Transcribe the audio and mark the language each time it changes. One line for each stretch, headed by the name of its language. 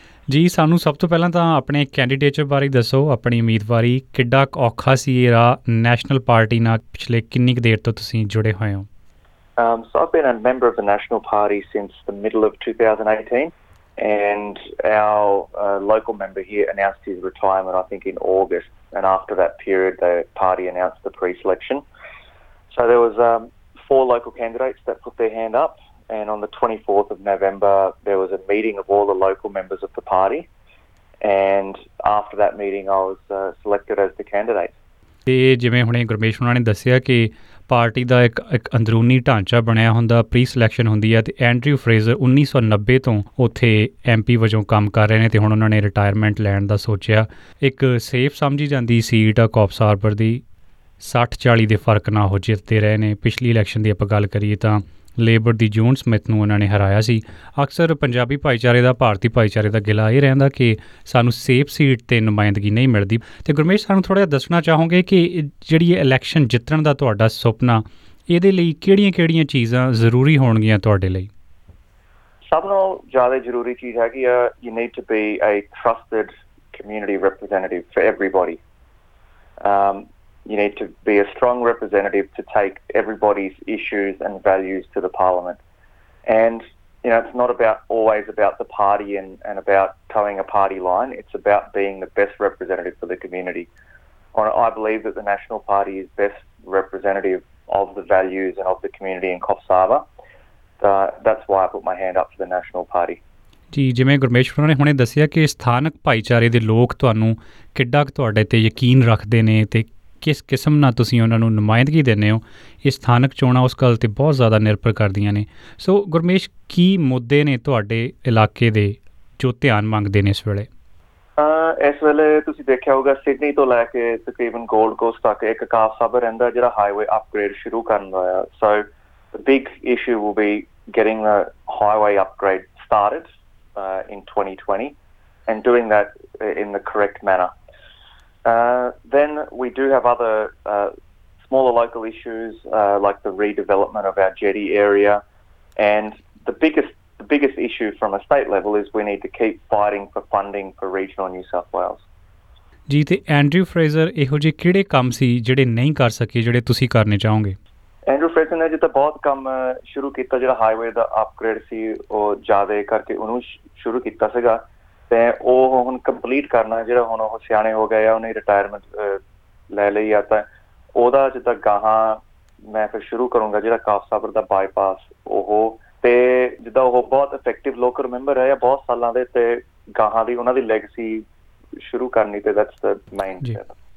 Punjabi: ਜੀ, ਸਾਨੂੰ ਸਭ ਤੋਂ ਪਹਿਲਾਂ ਤਾਂ ਆਪਣੇ ਕੈਂਡੀਡੇਟ ਬਾਰੇ ਦੱਸੋ, ਆਪਣੀ ਉਮੀਦਵਾਰੀ ਕਿੱਡਾ ਔਖਾ ਸੀ ਇਹ ਰਾਹ ਨੈਸ਼ਨਲ ਪਾਰਟੀ ਨਾਲ, ਪਿਛਲੇ ਕਿੰਨੀ ਕੁ ਦੇਰ ਤੋਂ ਤੁਸੀਂ ਜੁੜੇ ਹੋਏ ਹੋ?
English: So I've been a member of the National Party since the middle of 2018, and our local member here announced his retirement I think in August, and after that period the party announced the pre-selection. So there was four local candidates that put their hand up. And on the 24th of November, there was a meeting of all the local members of the party. And after that meeting, I was selected as the candidate.
Punjabi: ਤੇ ਜਿਵੇਂ ਹੁਣੇ ਗੁਰਮੇਸ਼ ਹੋਣਾ ਨੇ ਦੱਸਿਆ ਕਿ party ਦਾ ਇੱਕ ਅੰਦਰੂਨੀ ਢਾਂਚਾ ਬਣਿਆ ਹੁੰਦਾ, ਪ੍ਰੀ ਸਿਲੈਕਸ਼ਨ ਹੁੰਦੀ ਹੈ, ਅਤੇ ਐਂਡਰਿਊ ਫਰੇਜ਼ਰ 1990 ਤੋਂ ਉੱਥੇ MP ਵਜੋਂ ਕੰਮ ਕਰ ਰਹੇ ਨੇ ਅਤੇ ਹੁਣ ਉਹਨਾਂ ਨੇ ਰਿਟਾਇਰਮੈਂਟ ਲੈਣ ਦਾ ਸੋਚਿਆ। ਇੱਕ ਸੇਫ ਸਮਝੀ ਜਾਂਦੀ ਸੀਟ ਆ ਕੋਪਸ ਹਾਰਬਰ ਦੀ, 60-40 ਦੇ ਫਰਕ ਨਾਲ ਉਹ ਜਿੱਤਦੇ ਰਹੇ ਨੇ। ਪਿਛਲੀ ਇਲੈਕਸ਼ਨ ਦੀ ਆਪਾਂ ਗੱਲ ਕਰੀਏ ਤਾਂ ਲੇਬਰ ਦੀ ਜੂਨ ਸਮਿਥ ਨੂੰ ਉਹਨਾਂ ਨੇ ਹਰਾਇਆ ਸੀ। ਅਕਸਰ ਪੰਜਾਬੀ ਭਾਈਚਾਰੇ ਦਾ, ਭਾਰਤੀ ਭਾਈਚਾਰੇ ਦਾ ਗਿਲਾ ਇਹ ਰਹਿੰਦਾ ਕਿ ਸਾਨੂੰ ਸੇਫ ਸੀਟ 'ਤੇ ਨੁਮਾਇੰਦਗੀ ਨਹੀਂ ਮਿਲਦੀ, ਅਤੇ ਗੁਰਮੇਸ਼ ਸਾਨੂੰ ਥੋੜ੍ਹਾ ਜਿਹਾ ਦੱਸਣਾ ਚਾਹੋਗੇ ਕਿ ਜਿਹੜੀ ਇਲੈਕਸ਼ਨ ਜਿੱਤਣ ਦਾ ਤੁਹਾਡਾ ਸੁਪਨਾ, ਇਹਦੇ ਲਈ ਕਿਹੜੀਆਂ ਕਿਹੜੀਆਂ ਚੀਜ਼ਾਂ ਜ਼ਰੂਰੀ ਹੋਣਗੀਆਂ ਤੁਹਾਡੇ ਲਈ? ਸਭ ਤੋਂ ਜ਼ਿਆਦਾ ਜ਼ਰੂਰੀ ਚੀਜ਼ ਹੈਗੀ ਆ,
English: You need to be a trusted community representative for everybody. You need to be a strong representative to take everybody's issues and values to the parliament. And, you know, it's not about always about the party and about towing a party line. It's about being the best representative for the community. I believe that the National Party is best representative of the values and of the community in Coffs Harbour. That's why I put my hand up for the National Party.
Punjabi: ਜੀ, ਜਿਵੇਂ ਗੁਰਮੇਸ਼ ਹੋਣਾ ਨੇ ਹੁਣੇ ਦੱਸਿਆ ਕਿ ਸਥਾਨਕ ਭਾਈਚਾਰੇ ਦੇ ਲੋਕ ਤੁਹਾਨੂੰ ਕਿੱਡਾ ਕੁ ਤੁਹਾਡੇ 'ਤੇ ਯਕੀਨ ਰੱਖਦੇ ਨੇ ਅਤੇ ਕਿਸ ਕਿਸਮ ਨਾਲ ਤੁਸੀਂ ਉਹਨਾਂ ਨੂੰ ਨੁਮਾਇੰਦਗੀ ਦਿੰਦੇ ਹੋ, ਇਹ ਸਥਾਨਕ ਚੋਣਾਂ ਉਸ ਗੱਲ 'ਤੇ ਬਹੁਤ ਜ਼ਿਆਦਾ ਨਿਰਭਰ ਕਰਦੀਆਂ ਨੇ। ਸੋ ਗੁਰਮੇਸ਼, ਕੀ ਮੁੱਦੇ ਨੇ ਤੁਹਾਡੇ ਇਲਾਕੇ ਦੇ ਜੋ ਧਿਆਨ ਮੰਗਦੇ ਨੇ ਇਸ ਵੇਲੇ? ਇਸ ਵੇਲੇ ਤੁਸੀਂ ਦੇਖਿਆ ਹੋਊਗਾ, ਸਿਡਨੀ ਤੋਂ ਲੈ ਕੇ ਤਕਰੀਬਨ ਗੋਲਡ ਕੋਸਟ ਤੱਕ ਇੱਕ ਕਾਫ ਸਾਬਰ ਰਹਿੰਦਾ ਜਿਹੜਾ ਹਾਈਵੇ ਅਪਗ੍ਰੇਡ ਸ਼ੁਰੂ ਕਰਨ ਦਾ ਆ।
English: So big issue will be getting the highway upgrade started in 2020 and doing that in the correct manner. Then we do have other smaller local issues like the redevelopment of our jetty area, and the biggest issue from a state level is we need to keep fighting for funding for regional New South Wales.
Punjabi: ਜੀ, ਤੇ Andrew Fraser ਇਹੋ ਜਿਹੇ ਕਿਹੜੇ ਕੰਮ ਸੀ ਜਿਹੜੇ ਨਹੀਂ ਕਰ ਸਕੇ ਜਿਹੜੇ ਤੁਸੀਂ ਕਰਨੇ ਚਾਹੋਗੇ? ਐਂਡਰਿਊ ਫਰੇਜ਼ਰ ਨੇ ਜਿੱਦਾਂ ਬਹੁਤ ਕੰਮ ਸ਼ੁਰੂ ਕੀਤਾ, ਜਿਹੜਾ ਹਾਈਵੇ ਦਾ ਅਪਗ੍ਰੇਡ ਸੀ ਉਹ ਜ਼ਿਆਦਾ ਕਰਕੇ ਉਹਨੂੰ ਸ਼ੁਰੂ ਕੀਤਾ ਸੀਗਾ, ਅਤੇ ਉਹ ਹੁਣ ਕੰਪਲੀਟ ਕਰਨਾ, ਜਿਹੜਾ ਹੁਣ ਉਹ ਸਿਆਣੇ ਹੋ ਗਏ ਆ, ਉਹਨੇ ਰਿਟਾਇਰਮੈਂਟ ਲੈ ਲਈ ਆ, ਤਾਂ ਉਹਦਾ ਜਿੱਦਾਂ ਗਾਹਾਂ ਮੈਂ ਫਿਰ ਸ਼ੁਰੂ ਕਰੂੰਗਾ, ਜਿਹੜਾ ਕਾਫ ਸਾਬਰ ਦਾ ਬਾਈਪਾਸ ਉਹ, ਅਤੇ ਜਿੱਦਾਂ ਉਹ ਬਹੁਤ ਇਫੈਕਟਿਵ ਲੋਕਲ ਮੈਂਬਰ ਰਹੇ ਆ ਬਹੁਤ ਸਾਲਾਂ ਦੇ, ਅਤੇ ਗਾਹਾਂ ਦੀ ਉਹਨਾਂ ਦੀ ਲੈਗਸੀ ਸ਼ੁਰੂ ਕਰਨੀ, ਅਤੇ
English: That's the mindset.